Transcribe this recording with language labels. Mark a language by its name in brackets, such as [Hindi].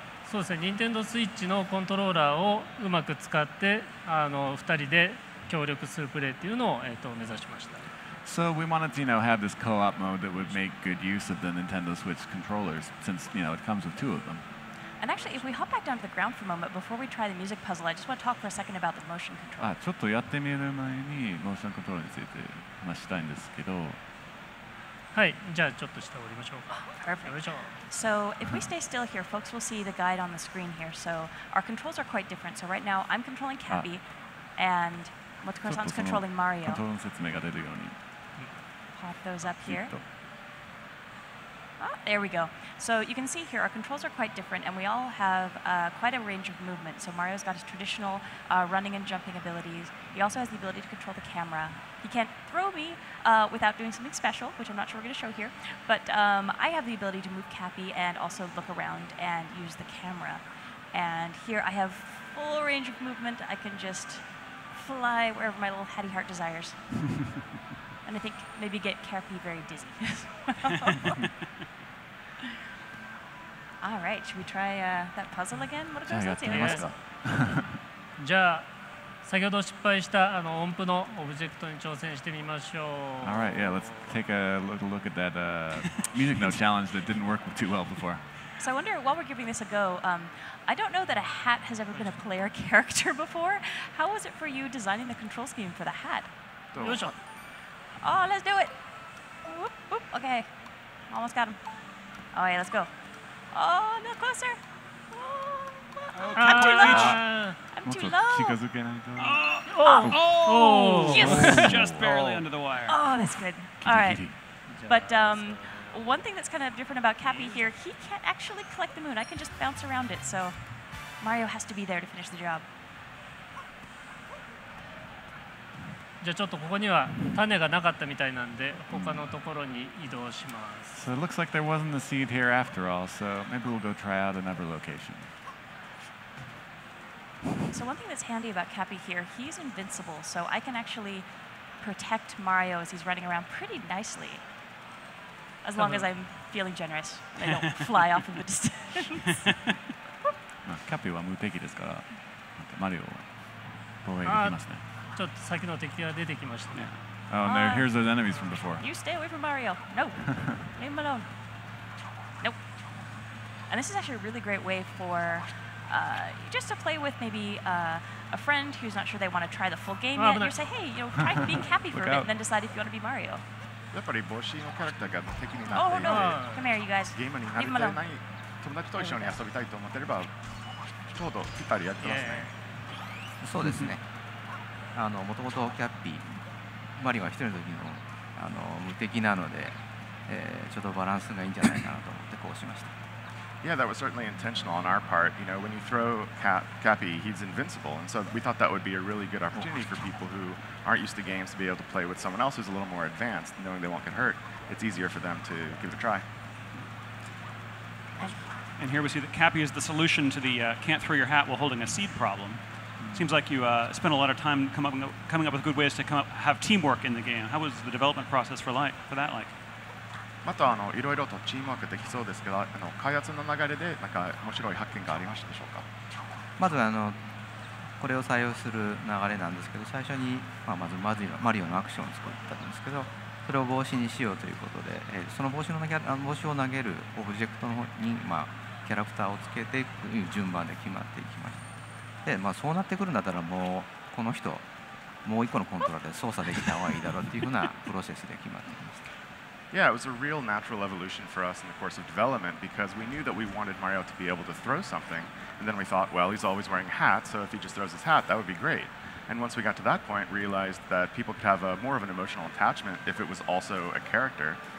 [Japanese] そうですね、任天堂スイッチのコントローラーをうまく使って、2人で協力するプレイっていうのを、目指しました。 [English] So we wanted to, you know, have this co-op mode that would make good use of the Nintendo Switch controllers, since, you know, it comes with two of them. And actually, if we hop back down to the ground for a moment before we try the music puzzle, I just want to talk for a second about the motion control. [Japanese] ちょっとやってみる前にモーションコントロールについて話したいんですけど。はい、じゃあちょっと下降りましょうか。 [English] Perfect. So if we stay still here, folks will see the guide on the screen here. So our controls are quite different. So right now, I'm controlling Cappy, and Motokura-san's controlling Mario. [Japanese] コントロールの説明が出るように。 [English] Pop those up here. Oh, there we go. So you can see here our controls are quite different, and we all have quite a range of movement. So Mario's got his traditional running and jumping abilities. He also has the ability to control the camera. He can't throw me without doing something special, which I'm not sure we're going to show here. But I have the ability to move Cappy and also look around and use the camera. And here I have full range of movement. I can just fly wherever my little hattie heart desires. And I think maybe get Cappy very dizzy. All right, should we try that puzzle again? What about that? [Japanese] じゃあ、じゃあ先ほど失敗したあの音符のオブジェクトに挑戦してみましょう。 [English] All right, yeah, let's take a little look at that music note challenge that didn't work too well before. So I wonder, while we're giving this a go, I don't know that a hat has ever been a player character before. How was it for you designing the control scheme for the hat? [Japanese] よいしょ。 [English] Oh, let's do it! Oop, oop, okay. Almost got him. Oh, yeah, let's go. Oh, no, closer! Oh, I'm too low! I'm too low! Oh, oh, oh! Yes! Just barely under the wire. Oh, that's good. All right. But one thing that's kind of different about Cappy here, he can't actually collect the moon. I can just bounce around it, so Mario has to be there to finish the job. [Japanese] じゃあちょっとここには種がなかったみたいなんで他のところに移動します。 [English] So it looks like there wasn't a seed here after all, so maybe we'll go try out another location. So one thing that's handy about Cappy here, he's invincible, so I can actually protect Mario as he's running around pretty nicely. As long as I'm feeling generous, I don't fly off in the distance. [Japanese] Cappy は無敵ですから、マリオは防衛できますね。ちょっと先の敵が出てきましたね。 [English] Oh, no, here's those enemies from before. You stay away from Mario. No. Leave him alone. Nope. And this is actually a really great way for just to play with maybe a friend who's not sure they want to try the full game yet. You say, hey, you know, try being Cappy for a bit and then decide if you want to be Mario. [Japanese] やっぱり帽子のキャラクターが敵になっているので、 [English] oh, no. Come here, you guys. [Japanese] ゲームに慣れていない友達と一緒に遊びたいと思っていれば、ちょうど2人やってますね。 [English] Yeah. [Japanese] そうですね。あの元々キャッピーマリオが一人の時のあの無敵なので、ちょっとバランスがいいんじゃないかなと思ってこうしました。 [English] Yeah, that was certainly intentional on our part. You know, when you throw Cappy, he's invincible, and so we thought that would be a really good opportunity for people who aren't used to games to be able to play with someone else who's a little more advanced, knowing they won't get hurt. It's easier for them to give it a try. And here we see that Cappy is the solution to the can't throw your hat while holding a seed problem. Seems like you spent a lot of time coming up with good ways to come up, have teamwork in the game. How was the development process for that like? [Japanese] またあのいろいろとチームワークできそうですけど、あの開発の流れでなんか面白い発見がありましたでしょうか。まずあのこれを採用する流れなんですけど、最初に、まあ、まずマリオのアクションを作ったんですけど、それを帽子にしようということで、その帽子を投げるオブジェクトの方に、まあ、キャラクターをつけていくという順番で決まっていきました。でまあ、そうなってくるんだったらもうこの人もう一個のコントローラーで操作できた方がいいだろうっていうふうなプロセスで決まってきました。 [English] Yeah, it was a real natural evolution for us in the course of development because we knew that we wanted Mario to be able to throw something and then we thought, well, he's always wearing hats, so if he just throws his hat, that would be great. And once we got to that point, realized that people could have a more of an emotional attachment if it was also a character.